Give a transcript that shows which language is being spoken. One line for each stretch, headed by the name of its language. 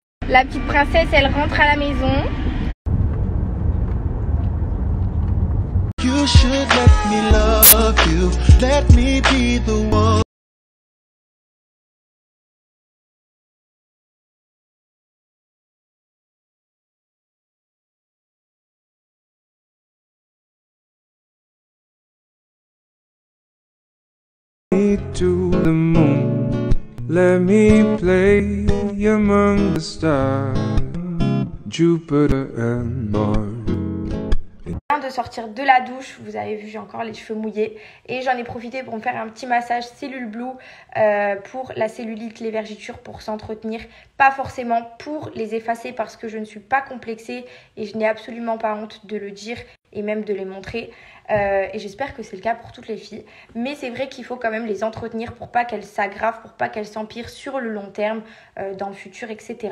French: La petite princesse, elle rentre à la maison.
English: You should let me love you, let me be the one. Me to the moon, let me play among the stars, Jupiter and Mars.
French: De sortir de la douche, vous avez vu, j'ai encore les cheveux mouillés et j'en ai profité pour me faire un petit massage cellule blue pour la cellulite, les vergitures pour s'entretenir, pas forcément pour les effacer parce que je ne suis pas complexée et je n'ai absolument pas honte de le dire et même de les montrer et j'espère que c'est le cas pour toutes les filles, mais c'est vrai qu'il faut quand même les entretenir pour pas qu'elles s'aggravent, pour pas qu'elles s'empirent sur le long terme dans le futur, etc.